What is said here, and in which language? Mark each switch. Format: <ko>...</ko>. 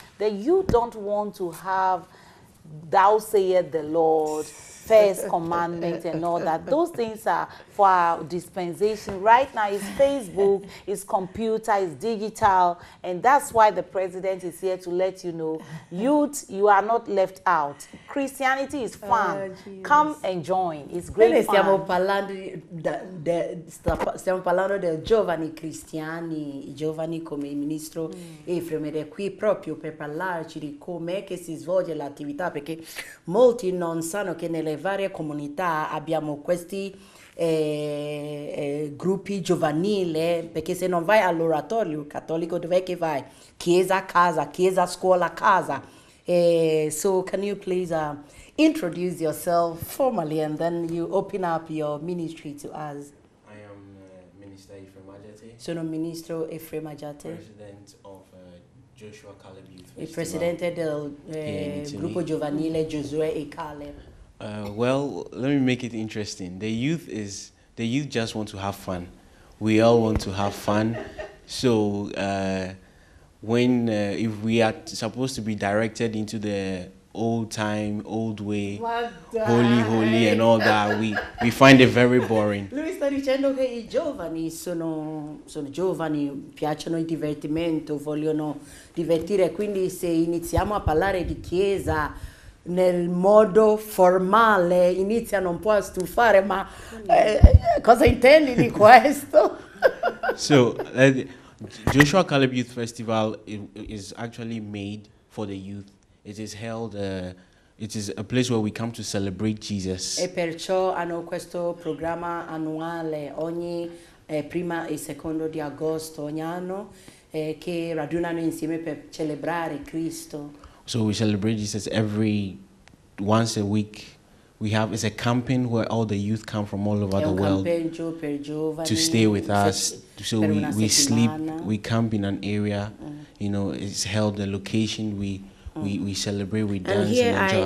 <en>That you don't want to have Thou Sayest the Lord, First Commandment, and all that. Those things are for our dispensation. Right now, it's Facebook, it's computer, it's digital, and that's why the president is here to let you know, youth, you are not left out. Christianity is fun. Oh, come and join. It's great fun.</en> <it>Stiamo parlando del giovani cristiani, I giovani come il ministro Efraim, ed è qui proprio per parlarci di come che si svolge l'attività, perché molti non sanno che nelle varie comunità abbiamo questi gruppi giovanili, perché se non vai all'oratorio cattolico, dov'è che vai? Chiesa, casa, chiesa, scuola, casa.</it> <en>So can you please introduce yourself formally, and then you open up your ministry to us? I am Minister Efraim Ajate.</en> <it>Sono Ministro Efraim Ajate.</it> <en>President of Joshua Caleb Youth Festival.</en> <it>Il Presidente del gruppo giovanile Josué e Caleb.</it> <en>Well, let me make it interesting. The youth just want to have fun. We all want to have fun. So if we are supposed to be directed into the old time, old way, holy, and all that, we find it very boring.</en> <it>Lui sta dicendo che I giovani sono giovani, piacciono il divertimento, vogliono divertire. Quindi se iniziamo a parlare di chiesa nel modo formale, inizia non può stufare, ma cosa intendi di questo?</it> <en>So, Joshua Caleb Youth Festival is actually made for the youth. It is held, it is a place where we come to celebrate Jesus.</en> <it>E perciò hanno questo programma annuale ogni prima e secondo di agosto ogni anno, che radunano insieme per celebrare Cristo.</it> <en>So we celebrate Jesus every once a week. We have, it's a camping where all the youth come from all over the world to stay with us. So we sleep, we camp in an area, you know, it's held the location, we celebrate, we dance, and here</en>